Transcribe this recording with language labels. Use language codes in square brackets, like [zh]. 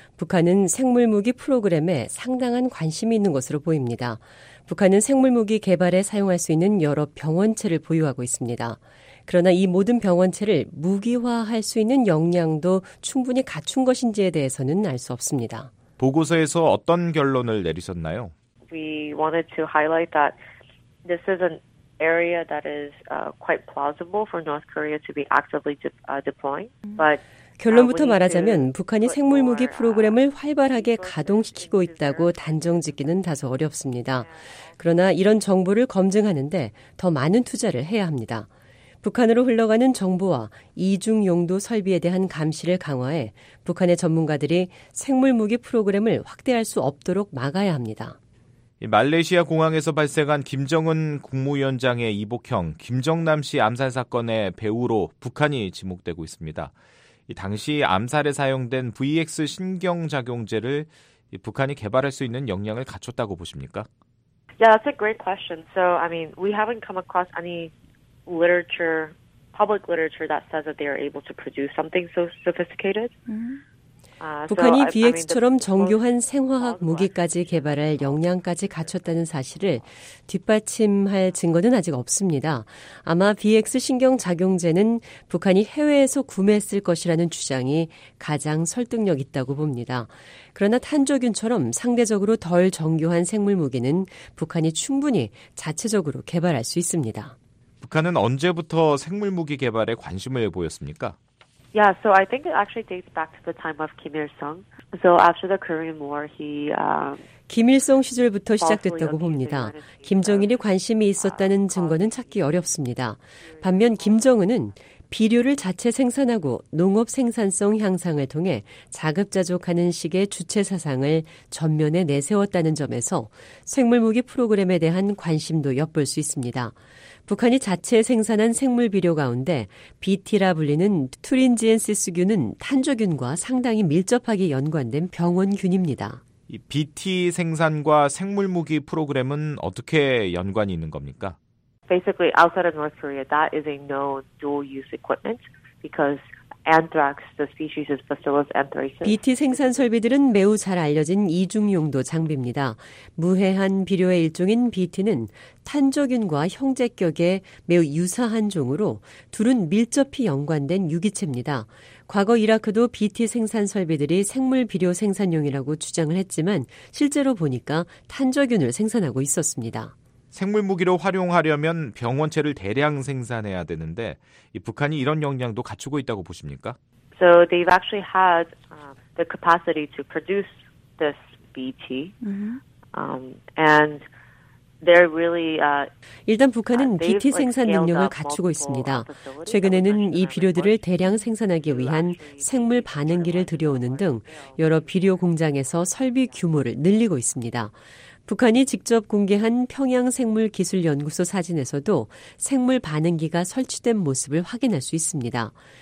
[ko] 북한은 생물무기 프로그램에 상당한 관심이 있는 것으로 보입니다. 북한은 생물무기 개발에 사용할 수 있는 여러 병원체를 보유하고 있습니다. 그러나 이 모든 병원체를 무기화할 수 있는 역량도 충분히 갖춘 것인지에 대해서는 알 수 없습니다. 보고서에서 어떤 결론을 내리셨나요? [en] We wanted to highlight that this is an area that is quite plausible for North Korea to be actively deploying. But [ko] 결론부터 말하자면 북한이 생물무기 프로그램을 활발하게 가동시키고 있다고 단정짓기는 다소 어렵습니다. 그러나 이런 정보를 검증하는데 더 많은 투자를 해야 합니다. 북한으로 흘러가는 정보와 이중용도 설비에 대한 감시를 강화해 북한의 전문가들이 생물무기 프로그램을 확대할 수 없도록 막아야 합니다. 말레이시아 공항에서 발생한 김정은 국무위원장의 이복형, 김정남 씨 암살 사건의 배후로 북한이 지목되고 있습니다. 당시 암살에 사용된 VX 신경작용제를 북한이 개발할 수 있는 역량을 갖췄다고 보십니까? [en] Yeah, that's a great question. So, I mean, we haven't come across any literature, public literature that says that they are able to produce something so sophisticated. Mm-hmm. [ko] 북한이 VX처럼 정교한 생화학 무기까지 개발할 역량까지 갖췄다는 사실을 뒷받침할 증거는 아직 없습니다. 아마 VX 신경작용제는 북한이 해외에서 구매했을 것이라는 주장이 가장 설득력 있다고 봅니다. 그러나 탄저균처럼 상대적으로 덜 정교한 생물무기는 북한이 충분히 자체적으로 개발할 수 있습니다. 북한은 언제부터 생물무기 개발에 관심을 보였습니까? [en] Yeah, so I think it actually dates back to the time of Kim Il-sung. So after the Korean War, he [ko] 김일성 시절부터 시작됐다고 봅니다. 김정일이 관심이 있었다는 증거는 찾기 어렵습니다. 반면 김정은은 비료를 자체 생산하고 농업 생산성 향상을 통해 자급자족하는 식의 주체 사상을 전면에 내세웠다는 점에서 생물무기 프로그램에 대한 관심도 엿볼 수 있습니다. 북한이 자체 생산한 생물 비료 가운데 BT라 불리는 트린지엔시스균은 탄저균과 상당히 밀접하게 연관된 병원균입니다. 이 BT 생산과 생물무기 프로그램은 어떻게 연관이 있는 겁니까? [en] Basically, outside of North Korea, that is a known dual-use equipment because anthrax, the species is Bacillus anthracis. [ko] BT 생산 설비들은 매우 잘 알려진 이중용도 장비입니다. 무해한 비료의 일종인 BT는 탄저균과 형제격에 매우 유사한 종으로 둘은 밀접히 연관된 유기체입니다. 과거 이라크도 BT 생산 설비들이 생물 비료 생산용이라고 주장을 했지만 실제로 보니까 탄저균을 생산하고 있었습니다. 생물무기로 활용하려면 병원체를 대량 생산해야 되는데 북한이 이런 역량도 갖추고 있다고 보십니까? [en] So they've actually had the capacity to produce this BT. Mm-hmm. And they're really [ko] 일단 북한은 BT 생산 능력을 갖추고 있습니다. 최근에는 이 비료들을 대량 생산하기 위한 생물 반응기를 들여오는 등 여러 비료 공장에서 설비 규모를 늘리고 있습니다. 북한이 직접 공개한 평양생물기술연구소 사진에서도 생물 반응기가 설치된 모습을 확인할 수 있습니다.